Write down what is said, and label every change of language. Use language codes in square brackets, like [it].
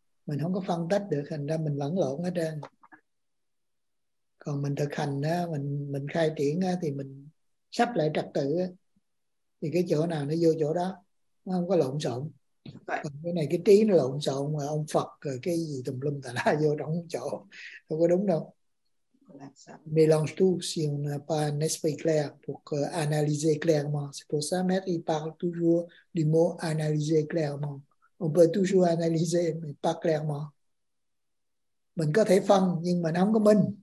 [vi] Mình không có phân tách được, thành ra mình lẫn lộn ở trên. Còn mình thực hành, mình khai triển thì mình sắp lại trật tự. Thì cái chỗ nào nó vô chỗ đó, nó không có lộn xộn. Còn cái này cái trí nó lộn xộn mà ông Phật rồi cái gì tùm lum tà la vô trong chỗ không có đúng đâu. [fr] Mélange tout si on n'a pas un esprit clair pour analyser clairement. C'est pour ça maître il parle toujours du mot analyser clairement. On peut toujours analyser mais pas clairement. [vi] Mình có thể phân nhưng mà không có minh.